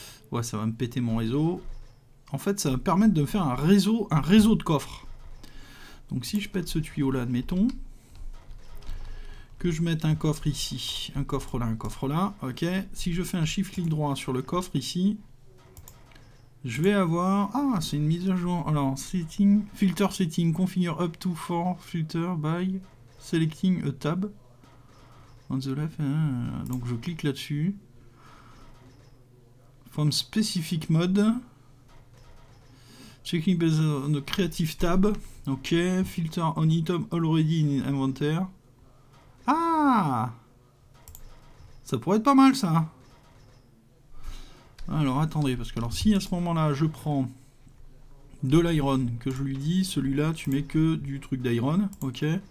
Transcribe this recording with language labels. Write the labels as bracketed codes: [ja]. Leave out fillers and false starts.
[fr] Ouais, ça va me péter mon réseau. En fait, ça va me permettre de faire un réseau de coffres. Donc si je pète ce tuyau-là, admettons, que je mette un coffre ici, un coffre là, ok. Si je fais un shift-clic droit sur le coffre ici, je vais avoir... Ah, c'est une mise à jour. [en] Alors, setting, filter setting, configure up to 4, filter by... Selecting a tab on the left, [fr] donc je clique là-dessus. [en] From specific mode, checking based on the creative tab. Ok, filter on item already in inventory. [fr] Ah, ça pourrait être pas mal ça. Alors attendez, parce que alors si à ce moment-là je prends de l'iron, que je lui dis celui-là, tu mets que du truc d'iron, ok.